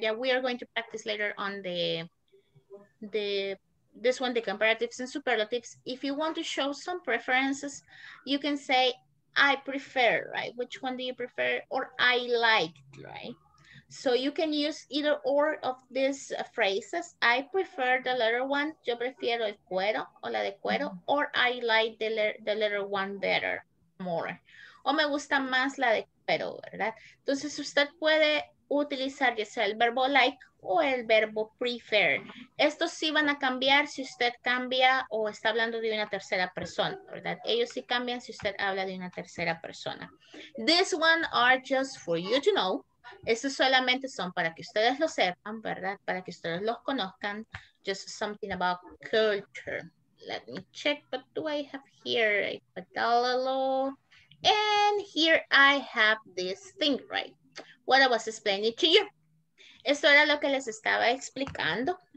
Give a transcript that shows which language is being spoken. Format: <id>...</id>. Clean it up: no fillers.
<en>Yeah, we are going to practice later on this one, the comparatives and superlatives. If you want to show some preferences, you can say, I prefer, right? Which one do you prefer? Or I like, right? So you can use either or of these phrases. I prefer the letter one.</en> <es>Yo prefiero el cuero o la de cuero.</es> <en>Or I like the letter one better, more.</en> <es>O me gusta más la de cuero, ¿verdad? Entonces usted puede utilizar ya sea el verbo like o el verbo prefer. Estos sí van a cambiar si usted cambia o está hablando de una tercera persona, ¿verdad? Ellos sí cambian si usted habla de una tercera persona.</es> <en>This one are just for you to know.</en> <es>Estos solamente son para que ustedes lo sepan, ¿verdad? Para que ustedes los conozcan.</es> <en>Just something about culture. Let me check. What do I have here? I put a little. And here I have this thing, right? What I was explaining to you.</en> <es>Esto era lo que les estaba explicando.</es>